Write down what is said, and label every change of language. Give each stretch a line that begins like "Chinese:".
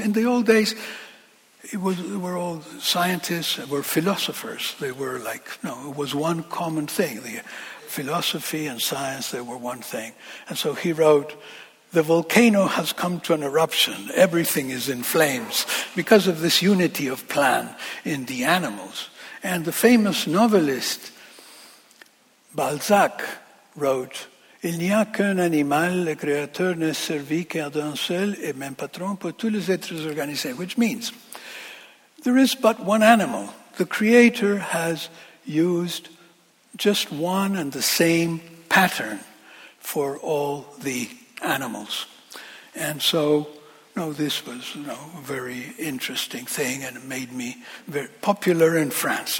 English: In the old days, they were all scientists, were philosophers. They were it was one common thing. The philosophy and science, they were one thing. And so he wrote, the volcano has come to an eruption. Everything is in flames because of this unity of plan in the animals. And the famous novelist Balzac wrote,
French: il n'y a qu'un animal, le créateur ne servit qu'à d'un seul et même patron pour tous les êtres organisés,
English: which means there is but one animal. The creator has used just one and the same pattern for all the animals. And so, this was a very interesting thing and it made me very popular in France.